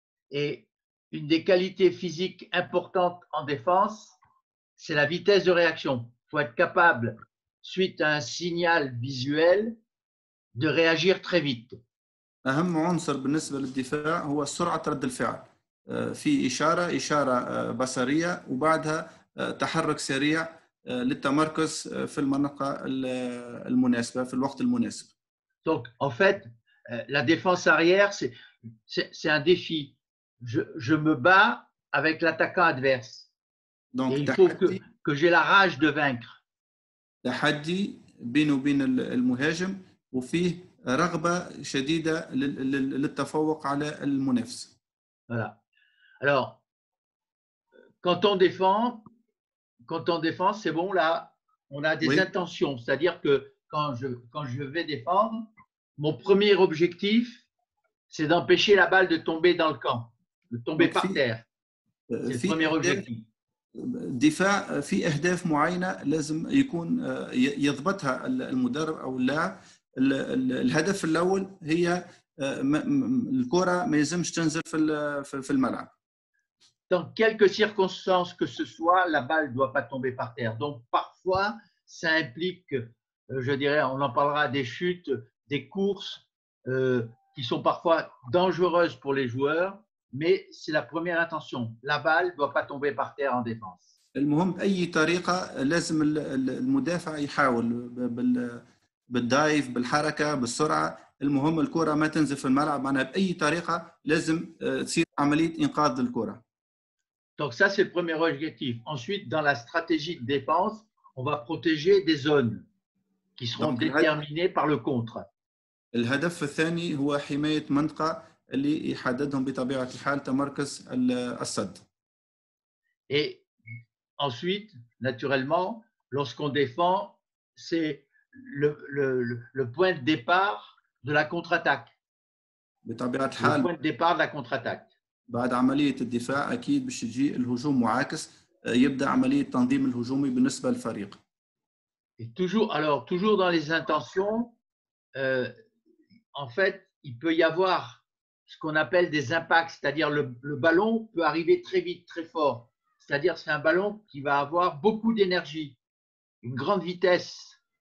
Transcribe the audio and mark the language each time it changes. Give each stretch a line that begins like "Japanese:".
French: Et une des qualités physiques importantes en défense, c'est la vitesse de réaction. Il faut être capable, suite à un signal visuel, de réagir très vite.
Arabic: أهم عنصر بالنسبة للدفاع هو سرعة رد الفعل في إشارة بصرية وبعدها تحرك سريع للتمركز في المنطقة المناسبة في الوقت المناسب.
French: Donc en fait, la défense arrière c'est un défi. Je me bats avec l'attaquant adverse. Donc il faut que j'ai la rage de vaincre.
Arabic: تحدي بينه وبين المهاجم وفيه رغبة شديدة للتفوق على المنافس.
French: Voilà. Alors, quand on défend, c'est bon là, on a des intentions. C'est-à-dire que quand je vais défendre, mon premier objectif, c'est d'empêcher la balle de tomber dans le camp, de tomber par terre. C'est le premier objectif.
Arabic: دفاع في أهداف معينة لازم يكون يضبطها المدرب أو اللاعب. الهدف الأول هي الكرة ما يلزمش تنزل في الملعب.
French: Dans quelques circonstances que ce soit, la balle ne doit pas tomber par terre. Donc parfois, ça implique, je dirais, on en parlera, des chutes, des courses qui sont parfois dangereuses pour les joueurs, mais c'est la première intention. La balle ne doit pas tomber par terre en défense.
Arabic: المهم أي طريقة لازم المدافع يحاول بالدايف بالحركة بالسرعة المهم الكرة ما تنزل في الملعب معناها بأي طريقة لازم تصير عملية إنقاذ الكرة.
French: Donc ça c'est le premier objectif. Ensuite dans la stratégie de défense on va protéger des zones qui seront déterminées par le contre.
Arabic: الهدف الثاني هو حماية منطقة اللي يحددهم بطبيعة الحال تمركز الصد.
French: Et ensuite naturellement lorsqu'on défend c'est le point de départ de la contre-attaque. Le point de départ de la contre-attaque.
Arabic: بعد عملية الدفاع أكيد باش يجي الهجوم معاكس يبدأ عملية التنظيم الهجومي بالنسبة للفريق.
French: Et toujours dans les intentions, en fait, il peut y avoir ce qu'on appelle des impacts, c'est-à-dire le ballon peut arriver très vite, très fort. C'est-à-dire c'est un ballon qui va avoir beaucoup d'énergie, une grande vitesse.